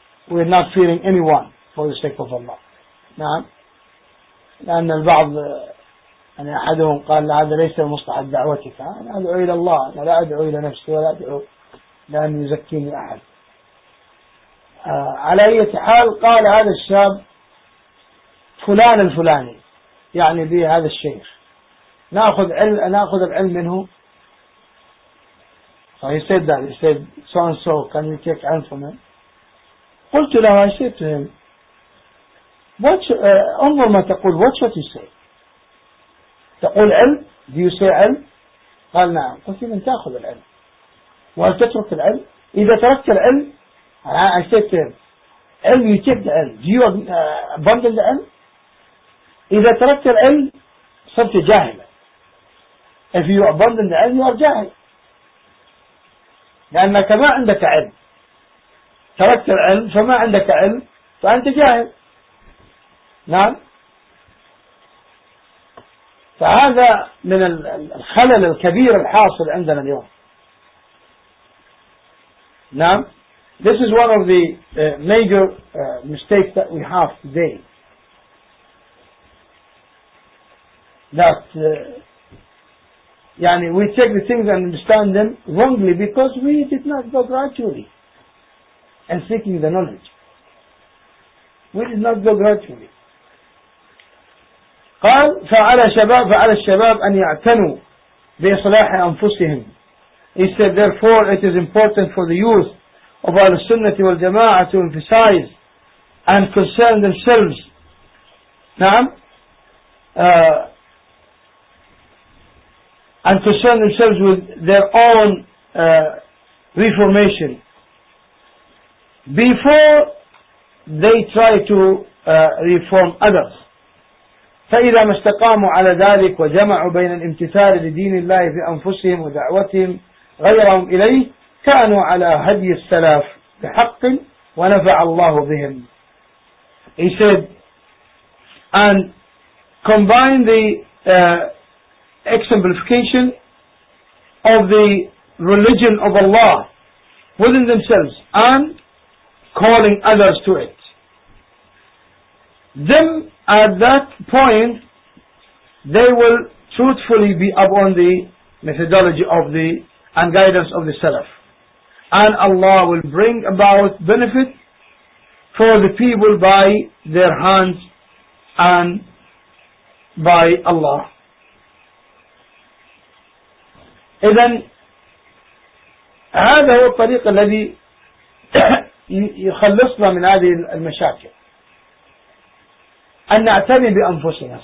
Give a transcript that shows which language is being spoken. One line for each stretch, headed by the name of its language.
English: We're not fearing anyone for the sake of Allah.
Arabic: نعم, لأن البعض أن أحدهم قال هذا ليس مستحب دعوتك, أنا أدعو إلى الله, أنا لا أدعو إلى نفسي ولا أدعو لأن يزكيني أحد. على أي حال قال هذا الشاب فلان الفلاني يعني به هذا الشيخ, نأخذ العلم منه.
English: So he said that, he said so and so, can you take علم from him? قلت له, I said to him, watch, انظر ما تقول, watch what you say.
Arabic: تقول علم, do you say علم؟ قال نعم. قلت لمن تأخذ العلم وهل تترك العلم؟ إذا تركت العلم, I said to him, علم, you take the علم, do you abandon the علم؟ إذا تركت العلم صرت جاهلا. If you abandon the علم you are جاهل, لأنك ما عندك علم, تركت العلم فما عندك علم فأنت جاهل. نعم, فهذا من الخلل الكبير الحاصل عندنا اليوم.
English: نعم, this is one of the major mistakes that we have today, that يعني we take the things and understand them wrongly because we did not go gradually and seeking the knowledge. We did not go gradually.
Arabic: قال فعلى شباب فعلى الشباب أن يعتنوا بإصلاح أنفسهم.
English: He said therefore it is important for the youth of Ahl Sunnah wal Jama'ah to emphasize and concern themselves.
Arabic: نعم.
English: And concern themselves with their own reformation before they try to reform others.
Arabic: فإذا ما استقاموا على ذلك وجمعوا بين الامتثال لدين الله في أنفسهم ودعوتهم غيرهم إليه كانوا على هدي السلف بحق ونفع الله بهم.
English: He said and combine the exemplification of the religion of Allah within themselves and calling others to it. Then at that point they will truthfully be upon the methodology of the and guidance of the Salaf, and Allah will bring about benefit for the people by their hands and by Allah.
Arabic: إذن هذا هو الطريق الذي يخلصنا من هذه المشاكل أن نعتني بأنفسنا.